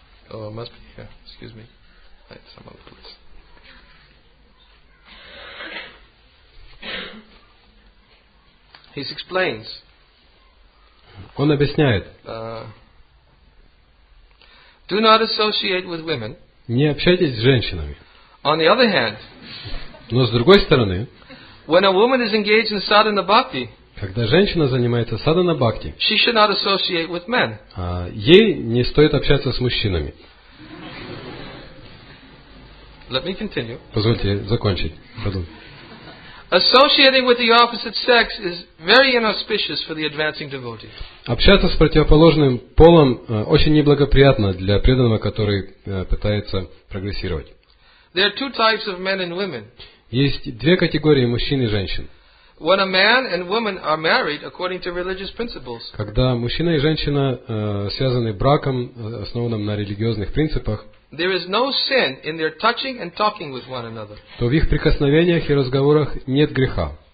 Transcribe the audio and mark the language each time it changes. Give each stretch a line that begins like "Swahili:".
English: Oh, it must be here. Excuse me. At some other place. He explains.
Russian: Он объясняет.
English: Do not associate with women.
Russian: Не общайтесь с женщинами.
English: On the other hand.
Russian: Но с другой стороны.
English: When a woman is engaged in sadhana bhakti.
Russian: Когда женщина занимается садхана бхакти.
English: She should not associate with men.
Russian: Ей не стоит общаться с мужчинами.
English: Let me continue.
Russian: Позвольте закончить.
English: Associating with the opposite sex is very inauspicious for the advancing devotee.
Russian: Общаться с противоположным полом очень неблагоприятно для преданного, который пытается прогрессировать.
English: There are two types of men and women.
Russian: Есть две категории мужчин и женщин.
English: When a man and woman are married according to religious principles.
Russian: Когда мужчина и женщина связаны браком, основанным на религиозных принципах.
English: There is no sin in their touching and talking with one another.
Russian: То в их прикосновениях и разговорах нет греха.